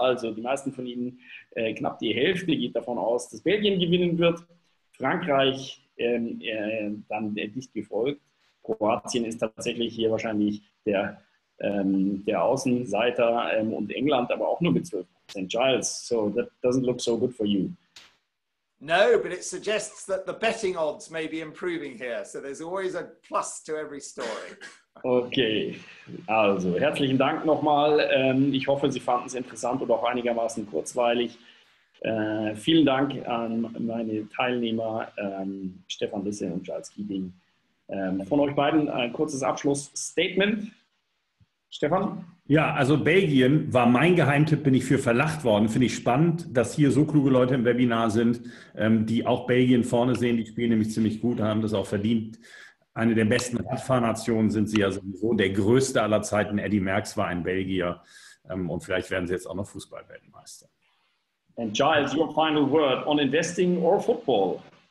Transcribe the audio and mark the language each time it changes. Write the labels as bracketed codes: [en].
[de] Also die meisten von Ihnen, knapp die Hälfte geht davon aus, dass Belgien gewinnen wird. Frankreich dann dicht gefolgt. Kroatien ist tatsächlich hier wahrscheinlich der Außenseiter und England, aber auch nur mit 12%. [en] Giles, so that doesn't look so good for you. No, but it suggests that the betting odds may be improving here. So there's always a plus to every story. [de] Okay, also herzlichen Dank nochmal. Ich hoffe, Sie fanden es interessant und auch einigermaßen kurzweilig. Vielen Dank an meine Teilnehmer, Stefan Riße und Giles Keating. Von euch beiden ein kurzes Abschlussstatement. Stefan? Ja, also Belgien war mein Geheimtipp, bin ich für verlacht worden. Finde ich spannend, dass hier so kluge Leute im Webinar sind, die auch Belgien vorne sehen. Die spielen nämlich ziemlich gut, haben das auch verdient. Eine der besten Radfahrnationen sind sie ja sowieso. Der größte aller Zeiten, Eddy Merckx, war ein Belgier. Und vielleicht werden sie jetzt auch noch Fußballweltmeister. [en] And Giles, your final word on investing or football?